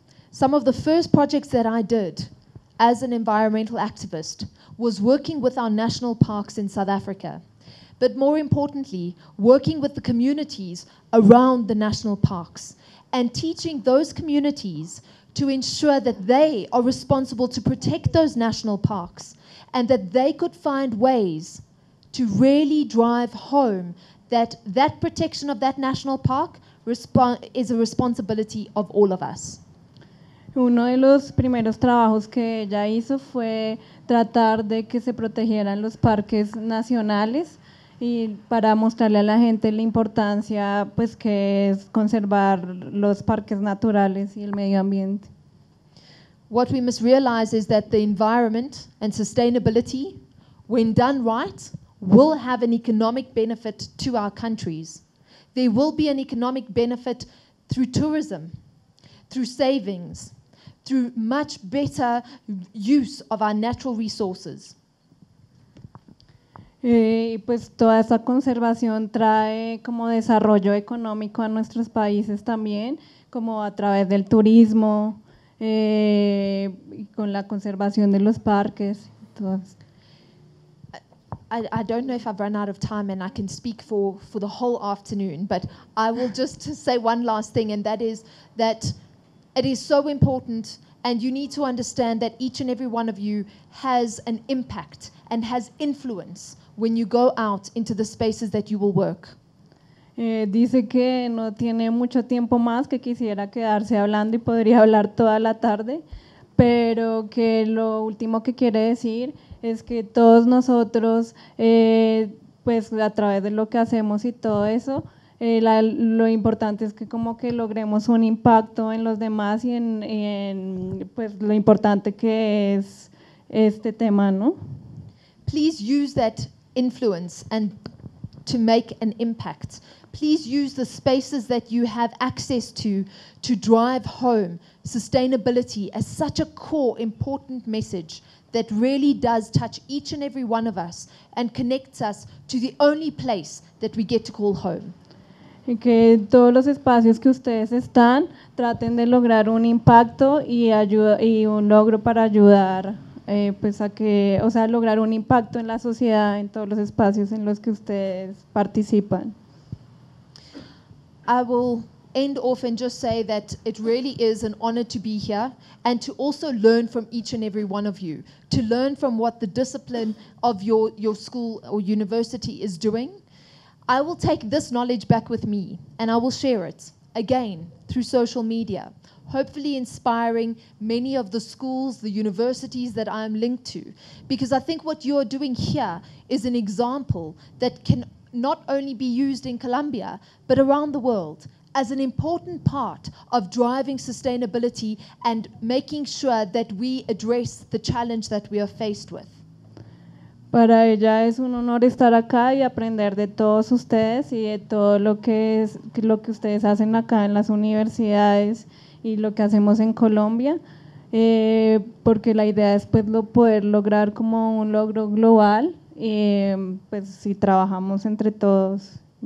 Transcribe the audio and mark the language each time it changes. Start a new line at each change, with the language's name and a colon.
English: Some of the first projects that I did as an environmental activist was working with our national parks in South Africa, but more importantly, working with the communities around the national parks and teaching those communities to ensure that they are responsible to protect those national parks and that they could find ways to really drive home that that protection of that national park is a responsibility of all of us.
Spanish: Uno de los primeros trabajos que ella hizo fue tratar de que se protegieran los parques nacionales y para mostrarle a la gente la importancia, pues, que es conservar los parques naturales y el medio ambiente.
English: What we must realize is that the environment and sustainability, when done right, will have an economic benefit to our countries. There will be an economic benefit through tourism, through savings, through much better use of our natural resources.
Spanish: Y pues toda esa conservación trae como desarrollo económico a nuestros países también, como a través del turismo, y con la conservación de los parques.
English: I don't know if I've run out of time and I can speak for the whole afternoon, but I will just say one last thing, and that is that it is so important, and you need to understand that each and every one of you has an impact and has influence when you go out into the spaces that you will work.
Spanish: Dice que no tiene mucho tiempo más, que quisiera quedarse hablando y podría hablar toda la tarde, pero que lo último que quiere decir es que todos nosotros, pues a través de lo que hacemos y todo eso, lo importante es que como que logremos un impacto en los demás y en pues lo importante que es este tema, ¿no?
English: Please use that influence and to make an impact. Please use the spaces that you have access to drive home sustainability as such a core important message that really does touch each and every one of us and connects us to the only place that we get to call home.
Spanish: Y que todos los espacios que ustedes están traten de lograr un impacto y ayuda y un logro para ayudar. Pues a que, o sea, lograr un impacto en la sociedad, en todos los espacios en los que ustedes participan.
English: I will end off and just say that it really is an honor to be here and to also learn from each and every one of you, to learn from what the discipline of your school or university is doing. I will take this knowledge back with me and I will share it again through social media, hopefully inspiring many of the schools, the universities that I am linked to, because I think what you are doing here is an example that can not only be used in Colombia, but around the world as an important part of driving sustainability and making sure that we address the challenge that we are faced with.
Spanish: Para ella es un honor estar acá y aprender de todos ustedes y de todo lo que ustedes hacen acá en las universidades y lo que hacemos en Colombia, porque la idea es, pues, poder lograr como un logro global, pues si trabajamos entre todos.